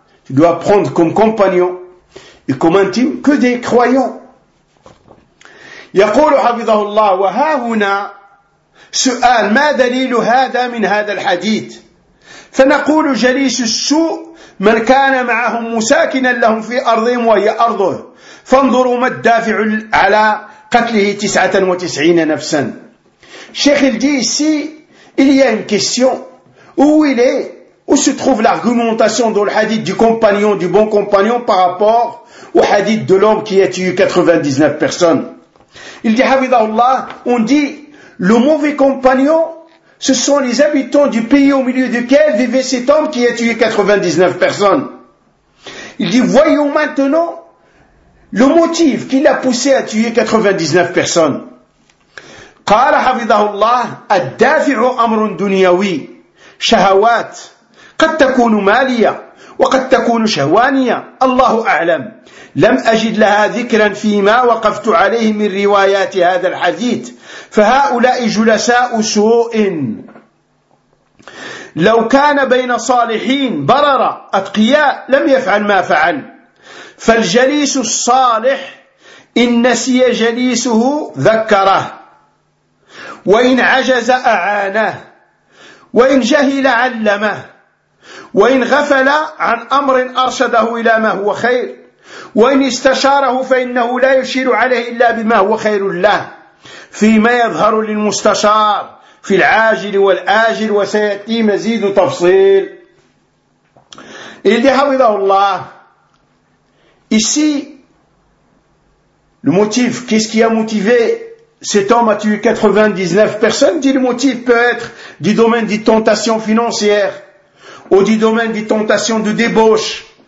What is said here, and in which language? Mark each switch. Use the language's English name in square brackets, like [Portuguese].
[French] Tu dois prendre comme compagnon et comme intime que des croyants. [Arabic] يقول حفظه الله وها هنا سؤال ما دليل هذا من هذا الحديث فنقول جليس السوء من كان معهم مساكنا لهم في أرضهم وهي أرضه فانظروا ما الدافع على قتله 99 نفسا. شيخ الجي سي [French] il y a une question où se trouve l'argumentation dans le hadith du compagnon, du bon compagnon par rapport au hadith de l'homme qui a tué 99 personnes. Il dit, Havidahullah, on dit, le mauvais compagnon, ce sont les habitants du pays au milieu duquel vivait cet homme qui a tué 99 personnes. Il dit, voyons maintenant le motif qui l'a poussé à tuer 99 personnes. [Arabic] Qala Havidahullah, addafi'u amrun dunyawi, shahawat, قد تكون مالية وقد تكون شهوانية الله أعلم لم أجد لها ذكرا فيما وقفت عليه من روايات هذا الحديث فهؤلاء جلساء سوء لو كان بين صالحين بررة أتقياء لم يفعل ما فعل فالجليس الصالح إن نسي جليسه ذكره وإن عجز أعانه وإن جهل علمه وإن غفل عن أمر أرشده إلى ما هو خير وإن استشاره فإنه لا يشير عليه إلا بما هو خير له فيما يظهر للمستشار في العاجل والآجل وسيأتي مزيد تفصيل. إذ حفظه الله [French] ici le motif, qu'est-ce qui a motivé cet homme a tué 99 personnes? Dit le motif peut être du domaine des tentations financières ou du domaine des tentations de débauche.